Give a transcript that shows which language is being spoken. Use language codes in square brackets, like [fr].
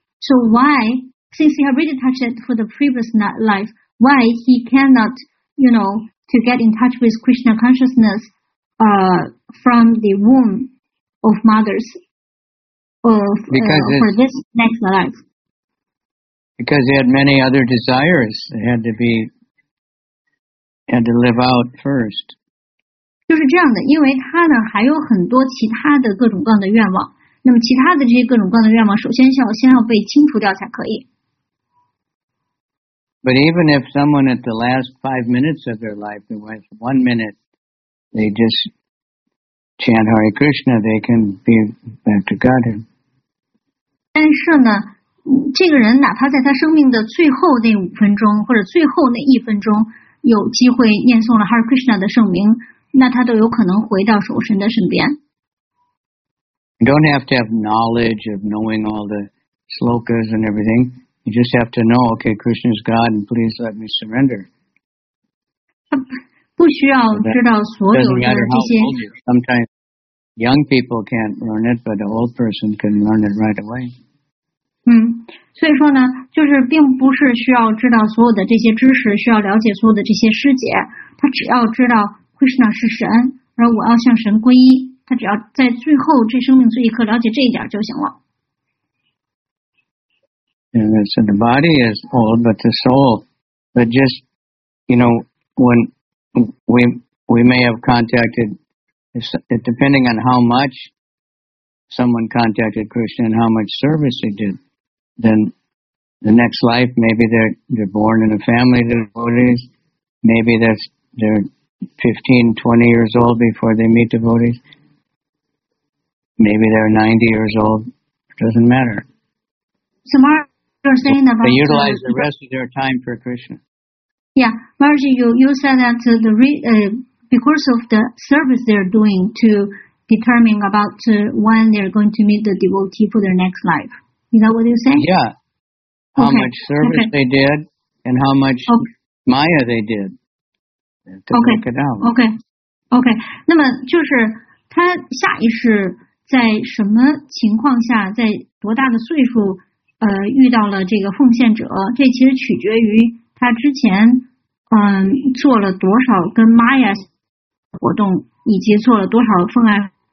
[en] So why, since he already touched it for the previous life, why he cannot, you know, to get in touch with Krishna consciousness from the womb of mothers for this next life? Because he had many other desires that had to live out first. [zh] 就是这样的，因为他呢还有很多其他的各种各样的愿望，那么其他的这些各种各样的愿望首先先要被清除掉才可以。 [en] But even if someone at the last 5 minutes of their life, it was 1 minute, they just chant Hare Krishna, they can be back to Godhead. [zh] 但是呢，这个人哪怕在他生命的最后那五分钟或者最后那一分钟有机会念诵了 Hare Krishna 的圣名，那他都有可能回到守神的身边。 [en] You don't have to have knowledge of knowing all the slokas and everything. You just have to know, okay, Krishna is God, and please let me surrender. [zh] 他不需要知道所有的这些。 [en] Sometimes young people can't learn it, but an old person can learn it right away. [zh] 所以说呢，就是并不是需要知道所有的这些知识，需要了解所有的这些师姐，他只要知道Krishna 是神，而我要向神皈依，他只要在最后这生命最一刻了解这一点就行了。 [en] And so the body is old, but the soul, but just, you know, when we may have contacted, depending on how much someone contacted Krishna and how much service he did, then the next life, maybe they're born in a family of devotees, maybe they're 15-20 years old before they meet devotees. Maybe they're 90 years old. Doesn't matter. So Maharaj, you're saying about... They utilize the rest of their time for Krishna. Yeah, Maharaj, you said that because of the service they're doing to determine about when they're going to meet the devotee for their next life. Is that what you're saying? Yeah. How much service they did and how much maya they did. Okay. [zh] 那么就是他下意识在什么情况下，在多大的岁数，遇到了这个奉献者？这其实取决于他之前，做了多少跟 Maya 活动，以及做了多少奉爱。